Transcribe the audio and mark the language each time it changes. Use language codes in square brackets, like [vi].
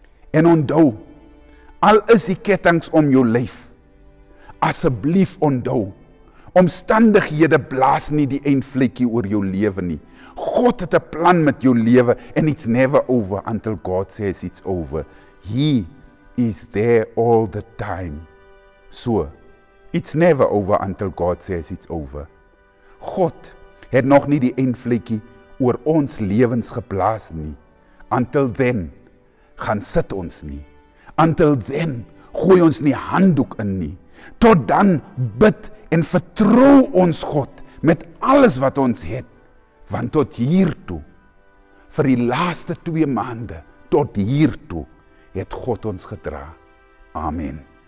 [af] en onthou, al is die kettings om jou lyf, asseblief onthou, omstandighede blaas nie die eindvlekkie oor jou leven nie. God het een plan met jou leven en [en] it's never over until God says it's over. He is there all the time. So, it's never over until God says it's over. [af] God het nog nie die eindvlekkie oor ons levens geblaas nie. [en] Until then, [af] gaan sit ons nie. Until then, gooi ons nie handdoek in nie. Tot dan bid en vertrou ons God met alles wat ons het, want tot hiertoe, vir die laaste 2 maande, tot hiertoe, het God ons gedra. Amen.